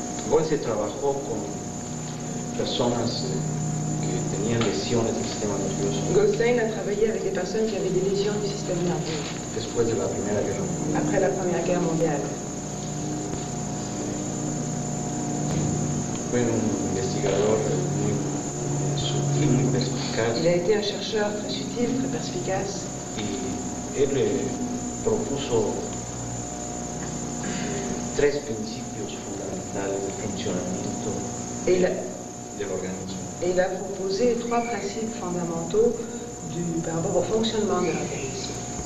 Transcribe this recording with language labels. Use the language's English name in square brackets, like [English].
[Spanish] Goldstein trabajó con personas que tenían lesiones del sistema nervioso. [French] Goldstein a travaillé avec des personnes qui avaient des lesions du système nerveux. [Spanish] Después de la Primera Guerra Mundial. [French] Après la Première Guerre mondiale. [Spanish] Fue un investigador muy sutil, muy perspicaz. [French] Il a été un chercheur très sutil, très perspicace. [Spanish] Y él propuso tres principios fundamentales de funcionamiento [French] de l'organisme. Et il a proposé trois principes fondamentaux par rapport au fonctionnement de l'organisme.